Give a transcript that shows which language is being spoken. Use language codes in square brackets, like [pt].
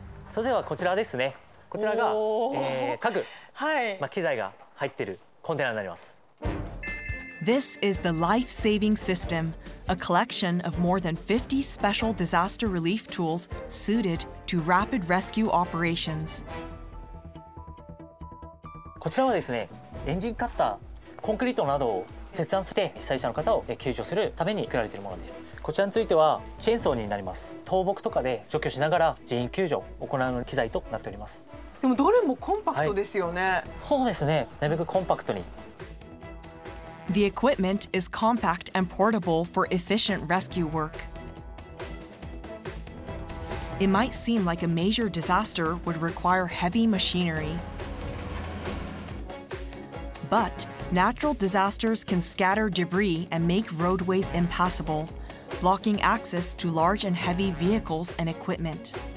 [ja] それではこちらですね。こちらが、各、はい、まあ機材が入っているコンテナになります。 [en] This is the life-saving system, a collection of more than 50 special disaster relief tools suited to rapid rescue operations. [ja] こちらはですね、エンジンカッター、コンクリートなどを切断して被災者の方を救助するために作られているものです。こちらについてはチェーンソーになります。倒木とかで除去しながら人員救助を行う機材となっております。でもどれもコンパクトですよね。はい、そうですね。なるべくコンパクトに。 [en] The equipment is compact and portable for efficient rescue work. It might seem like a major disaster would require heavy machinery. But Natural disasters can scatter debris and make roadways impassable, blocking access to large and heavy vehicles and equipment.